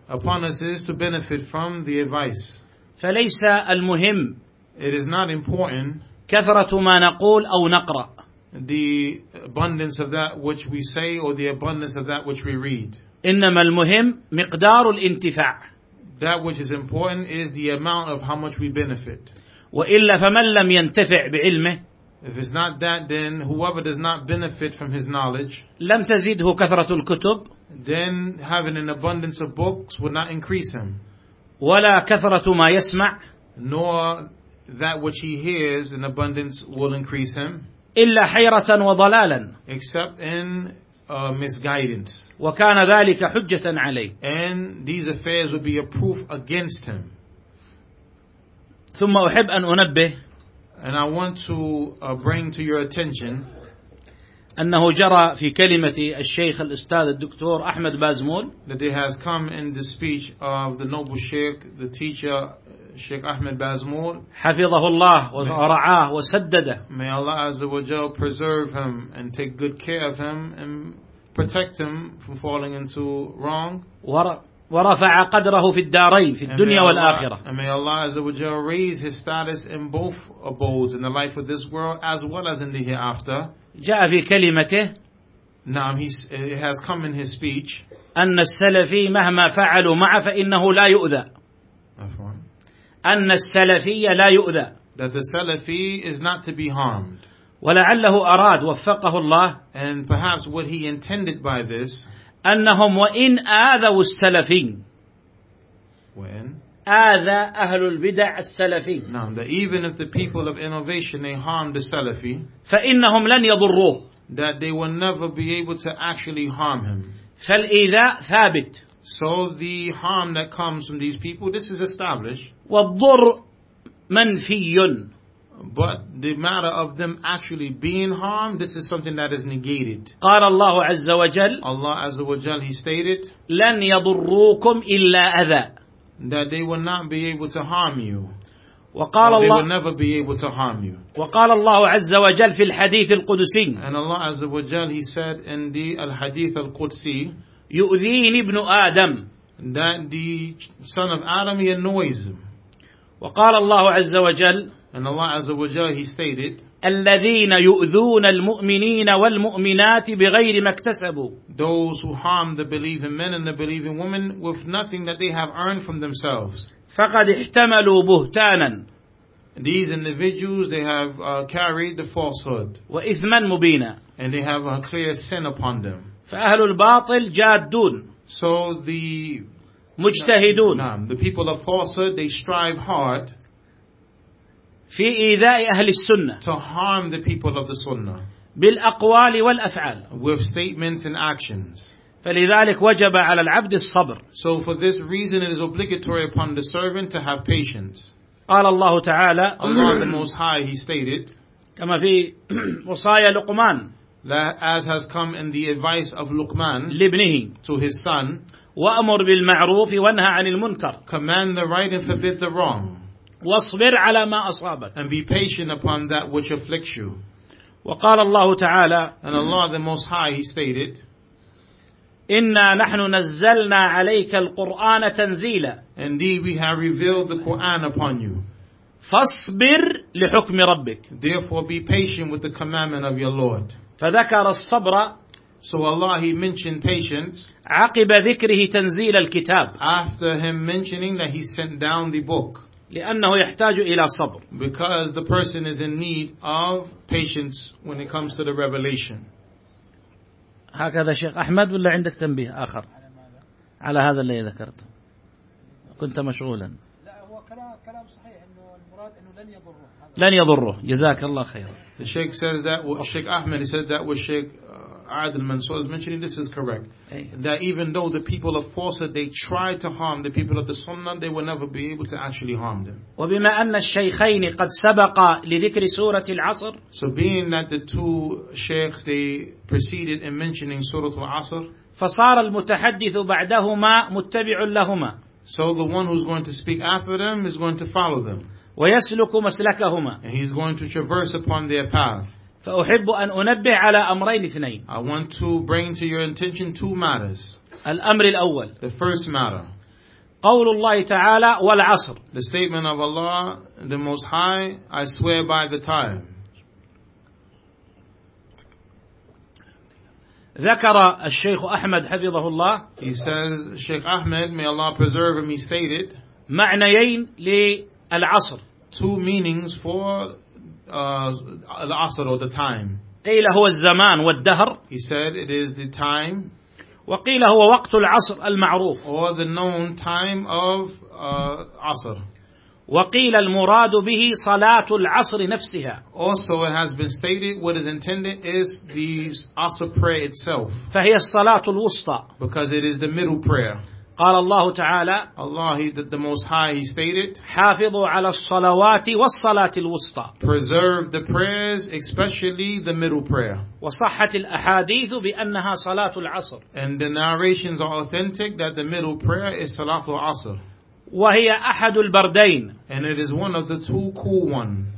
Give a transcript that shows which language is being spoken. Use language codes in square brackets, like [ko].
[en] Upon us is to benefit from the advice. [ar] فليس المهم. [en] It is not important. [ar] كثرة ما نقول أو نقرأ. [en] The abundance of that which we say or the abundance of that which we read. [ar] إنما المهم مقدار الانتفاع. [en] That which is important is the amount of how much we benefit. [ar] وإلا فمن لم ينتفع بعلمه. [en] If it's not that, then whoever does not benefit from his knowledge. [ar] لم تزيده كثرة الكتب. [en] Then having an abundance of books would not increase him. [ar] ولا كثرة ما يسمع. [en] Nor that which he hears in abundance will increase him. [ar] إلا حيرة وضلالا. [en] Except in misguidance. [ar] وكان ذلك حجة عليه. [en] And these affairs would be a proof against him. [ar] ثم أحب أن أنبه. [en] And I want to bring to your attention. [ar] أنه جرى في كلمة الشيخ الأستاذ الدكتور أحمد بازمول. [en] That it has come in the speech of the noble sheikh, the teacher. Sheikh Ahmed Bazmoul, [ar] حفظه الله ورعاه وسدده. [en] May Allah Azza wa Jal preserve him and take good care of him and protect him from falling into wrong. [ar] ورفع قدره في الدارين في الدنيا والآخرة. [en] And may Allah Azza wa Jal raise his status in both abodes, in the life of this world as well as in the hereafter. [ar] جاء في كلمته. نعم, [en] it has come in his speech. [ar] أن السلفي مهما فعلوا معه فإنه لا يؤذى. أن السلفي لا يؤذى. [en] That the Salafi is not to be harmed. [ar] ولعله أراد وفقه الله. [en] And perhaps what he intended by this. [ar] أنهم وإن آذوا السلفين. [en] When? [ar] آذى أهل البدع السلفين. [en] Now that even if the people of innovation they harm the Salafi. [ar] فإنهم لن يضروه. [en] That they will never be able to actually harm him. [ar] فالإذاء ثابت. [en] So the harm that comes from these people, this is established. [ar] والضر منفي. [en] But the matter of them actually being harmed, this is something that is negated. [ar] قال الله عز وجل. [en] Allah [ar] عز وجل, [en] He stated. [ar] لن يضروكم إلا أذى. [en] That they will not be able to harm you. [ar] وقال [en] they [ar] الله. [en] They will never be able to harm you. [ar] وقال الله عز وجل في الحديث القدسي. [en] And Allah [ar] عز وجل, [en] He said in the [ar] الحديث القدسي. يؤذيني ابن آدم. [en] That the son of Adam he annoys him. [ar] وقال الله عز وجل. [en] And Allah [ar] عز وجل [en] he stated. [ar] الذين يؤذون المؤمنين والمؤمنات بغير ما اكتسبوا. [en] Those who harm the believing men and the believing women with nothing that they have earned from themselves. [ar] فقد احتملوا بهتانا. [en] These individuals they have carried the falsehood. [ar] وإثما مبينا. [en] And they have a clear sin upon them. [ar] فأهل الباطل جادون. [en] So the [ar] مجتهدون. [en] The people of falsehood, they strive hard. [ar] في إيذاء أهل السنة. [en] To harm the people of the Sunnah. [ar] بالأقوال والأفعال. [en] With statements and actions. [ar] فلذلك وجب على العبد الصبر. [en] So for this reason it is obligatory upon the servant to have patience. [ar] قال الله تعالى. [en] Allah the Most High, He stated. [ar] كما في وصايا لقمان. [en] As has come in the advice of Luqman [ar] لابنه. [en] To his son. [ar] وأمر بالمعروف وانهى عن المنكر. [en] Command the right and forbid the wrong. [ar] واصبر على ما أصابك. [en] And be patient upon that which afflicts you. [ar] وقال الله تعالى. [en] And Allah the Most High, He stated. [ar] إنا نحن نزلنا عليك القرآن تنزيلا. [en] Indeed, we have revealed the Quran upon you. [ar] فاصبر لحكم ربك. [en] Therefore, be patient with the commandment of your Lord. [ar] فذكر الصبر. [en] So Allah, He mentioned patience. [ar] عقب ذكره تنزيل الكتاب. [en] After Him mentioning that He sent down the book. [ar] لأنه يحتاج إلى صبر. [en] Because the person is in need of patience when it comes to the revelation. [ar] هكذا شيخ أحمد ولا عندك تنبيه آخر على هذا اللي ذكرته؟ كنت مشغولا. لا هو كلام صحيح إنه المراد إنه لن يضره. لن يضره. جزاك الله خير. [en] The Sheikh says that. Sheikh Ahmed said that with Sheikh Adil Mansour is mentioning this is correct. That even though the people of Fawcett they try to harm the people of the Sunnah, they will never be able to actually harm them. [ar] وبما أن الشيخين قد سبق لذكر سورة العصر. [en] So being that the two sheikhs they preceded in mentioning Surah Al-Asr. [ar] فصار المتحدث بعدهما متبع لهما. [en] So the one who's going to speak after them is going to follow them. [ar] ويسلك مسلكهما. [en] And he's going to traverse upon their path. [ar] فأحب أن أنبه على أمرين اثنين. [en] I want to bring to your intention two matters. [ar] الأمر الأول. [en] The first matter. [ar] قول الله تعالى والعصر. [en] The statement of Allah, the Most High, I swear by the time. [ar] ذكر الشيخ أحمد حفظه الله. [en] He says, Sheikh Ahmed, may Allah preserve him, he stated. [ar] معنيين للعصر. [en] Two meanings for العصر or the time. [ar] قيل هو الزمان والدهر. [en] He said it is the time. [ar] وقيل هو وقت العصر المعروف. [en] Or the known time of عصر. [ar] وقيل المراد به صلاة العصر نفسها. [en] Also it has been stated what is intended is the عصر prayer itself. [ar] فهي الصلاة الوسطى. [en] Because it is the middle prayer. [ar] قال الله تعالى [en] Allah the Most High He stated [ar] حافظوا على الصلوات والصلاة الوسطى [en] preserve the prayers especially the middle prayer [ar] وصحة الأحاديث بأنها صلاة العصر [en] and the narrations are authentic that the middle prayer is صلاة العصر [ar] وهي أحد البردين [en] and it is one of the two cool ones